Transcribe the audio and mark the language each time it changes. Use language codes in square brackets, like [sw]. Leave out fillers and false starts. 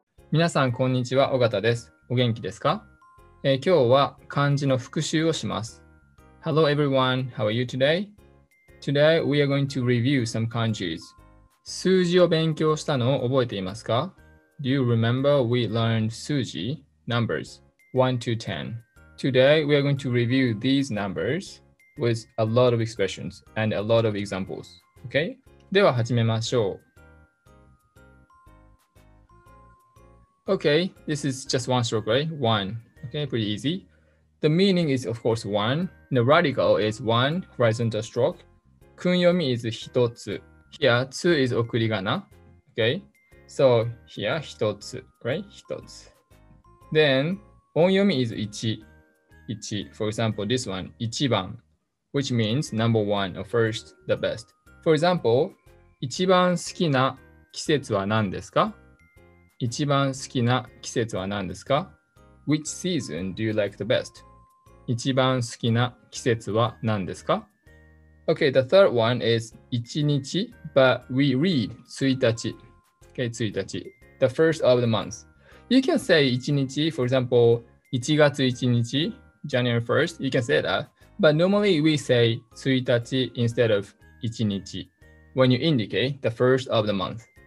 [ja] 皆さんこんにちは、緒方です。お元気ですか？今日は漢字の復習をします。 [en] Hello everyone, how are you today? Today we are going to review some kanjis. [ja] 数字を勉強したのを覚えていますか？ [en] Do you remember we learned 数字 numbers 1 to 10? Today we are going to review these numbers with a lot of expressions and a lot of examples. [ja] Okay? では始めましょう。 [en] Okay, this is just one stroke, right? One. Okay, pretty easy. The meaning is, of course, one. The radical is one horizontal stroke. 訓読み is 一つ.Here, 2 is 送り仮名. Okay, so here, 一つ, right? 一つ. Then, 音読み is 一.一. For example, this one, 一番, which means number one, or first, the best. For example, [ja] 一番好きな季節は何ですか? 一番好きな季節は何ですか? [en] Which season do you like the best? [ja] 一番好きな季節は何ですか? [en] Okay, the third one is 一日, but we read 一日. Okay, 一日, the first of the month. You can say 一日, for example, 1月1日, January 1st, you can say that. But normally we say 一日 instead of 一日, when you indicate the first of the month.